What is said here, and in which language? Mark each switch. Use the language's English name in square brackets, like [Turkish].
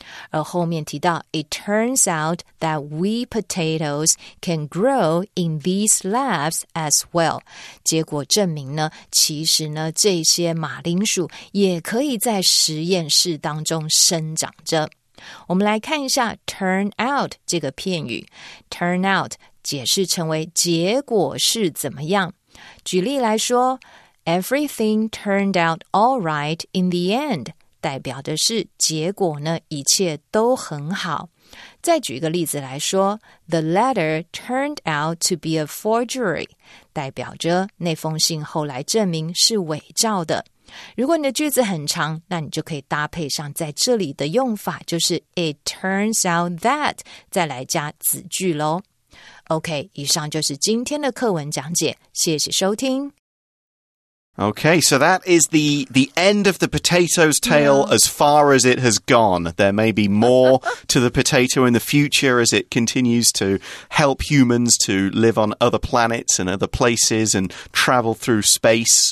[English] 而后面提到 It turns out that we potatoes can grow in these labs as well. [Chinese] 结果证明呢，其实呢，这些马铃薯也可以在实验室当中生长着。我们来看一下 turn out 这个片语。turn out 解释成为结果是怎么样。举例来说 ， [English] Everything turned out all right in the end. [Chinese] 代表的是结果呢，一切都很好。再举一个例子来说 ， [English] The letter turned out to be a forgery， [Chinese] 代表着那封信后来证明是伪造的。如果你的句子很长，那你就可以搭配上在这里的用法，就是 [English] It turns out that [Chinese] 再来加子句咯。 OK， 以上就是今天的课文讲解，谢谢收听。 [English] Okay, so that is the end of the potatoes tale as far as it has gone. There may be more to the potato in the future as it continues to help humans to live on other planets and other places and travel through space.